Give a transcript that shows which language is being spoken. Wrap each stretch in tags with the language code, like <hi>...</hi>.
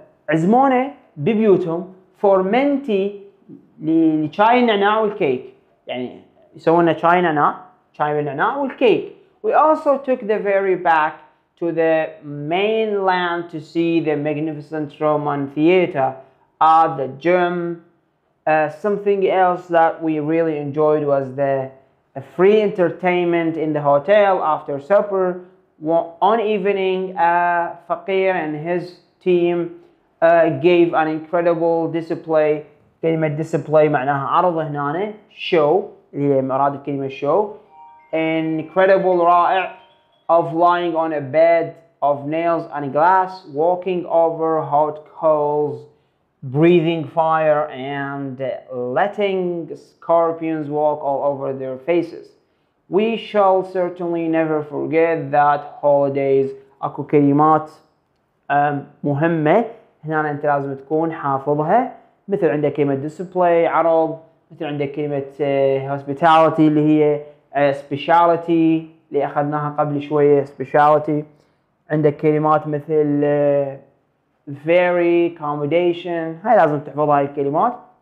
<ar>عزمونا ببيوتهم for menti, لشاي نعناع والكيك. يعني يسوونا شاي نعناع, شاي نعناع والكيك.</ar> <en>We also took the ferry back to the mainland to see the magnificent Roman theater. at the gym. Something else that we really enjoyed was the free entertainment in the hotel after supper. One evening, Faqir and his team gave an incredible display.</en> <ar>كلمة display معناها عرض هنا show اللي هي مراد الكلمة show.</ar> <en>Incredible رائع of lying on a bed of nails and glass, walking over hot coals, breathing fire and letting scorpions walk all over their faces. We shall certainly never forget that holidays.</en> <ar>أكو كلمات مهمة هنا أنت لازم تكون حافظها، مثل عندك كلمة display عرض، مثل عندك كلمة hospitality اللي هي speciality اللي أخذناها قبل شوية speciality، عندك كلمات مثل very accommodation، هاي لازم تحفظ هاي الكلمات.</ar>